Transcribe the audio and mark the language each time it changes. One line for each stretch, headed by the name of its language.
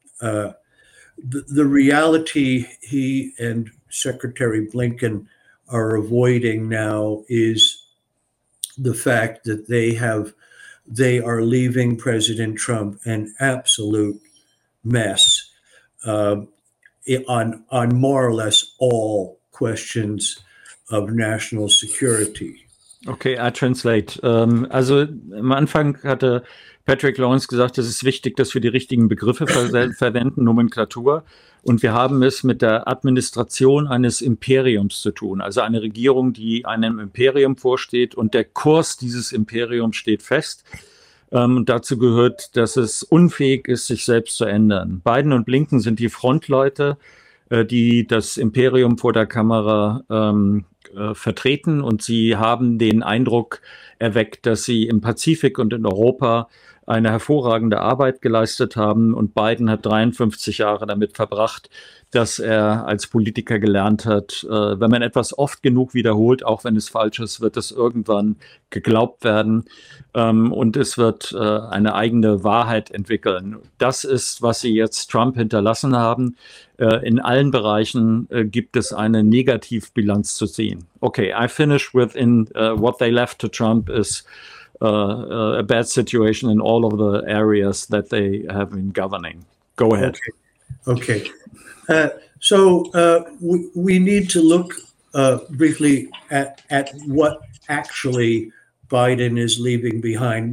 English: The reality he and Secretary Blinken are avoiding now is the fact that they are leaving President Trump an absolute mess on more or less all questions of national security. Okay, I translate.
German: Also am Anfang hatte Patrick Lawrence gesagt, es ist wichtig, dass wir die richtigen Begriffe verwenden, Nomenklatur. Und wir haben es mit der Administration eines Imperiums zu tun. Also eine Regierung, die einem Imperium vorsteht und der Kurs dieses Imperiums steht fest. Dazu gehört, dass es unfähig ist, sich selbst zu ändern. Biden und Blinken sind die Frontleute, die das Imperium vor der Kamera vertreten, und sie haben den Eindruck erweckt, dass sie im Pazifik und in Europa eine hervorragende Arbeit geleistet haben, und Biden hat 53 Jahre damit verbracht, dass er als Politiker gelernt hat, wenn man etwas oft genug wiederholt, auch wenn es falsch ist, wird es irgendwann geglaubt werden, und es wird eine eigene Wahrheit entwickeln. Das ist, was sie jetzt Trump hinterlassen haben. In allen Bereichen gibt es eine Negativbilanz zu sehen.
English: Okay, I finish with in what they left to Trump is a bad situation in all of the areas that they have been governing. Go ahead. Okay. So we need to look briefly at what actually Biden is leaving behind.